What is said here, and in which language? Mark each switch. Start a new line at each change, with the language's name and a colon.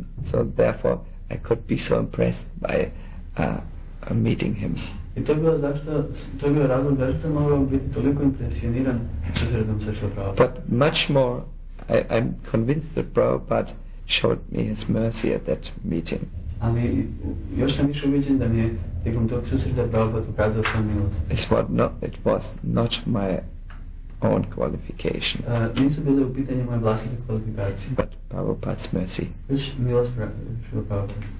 English: So therefore, I could be so impressed by meeting him.
Croatian: I to bilo zašto, to je bio razlog da sam mogao biti toliko impresioniran susretom sa Srila Prabhupada.
English: But much more, I'm convinced that Prabhupada showed me his mercy at that meeting.
Croatian: Ali još sam više ubeđen da mi je tijekom tog susreta Prabhupada ukazao svoju milost.
English: It was not my own qualification.
Croatian: Nisu bile u pitanju moje vlastite kvalifikacije.
English: But Prabhupada's mercy.
Croatian: Već milost Srila Prabhupada.